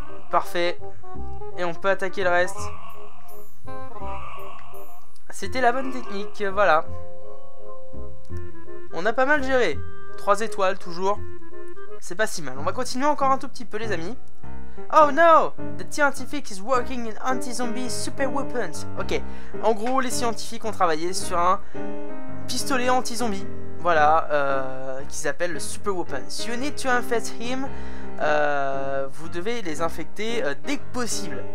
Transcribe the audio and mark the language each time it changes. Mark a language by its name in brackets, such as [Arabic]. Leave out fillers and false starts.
[French] Parfait. Et on peut attaquer le reste. C'était la bonne technique, voilà. On a pas mal géré. 3 étoiles toujours. C'est pas si mal. On va continuer encore un tout petit peu les amis. [English] Oh no! The scientific is working in anti-zombie super weapons. [French] Ok, en gros les scientifiques ont travaillé sur un pistolet anti-zombie. Voilà, qu'ils appellent le super weapon. [English] You need to infect him. [French] Vous devez les infecter dès que possible.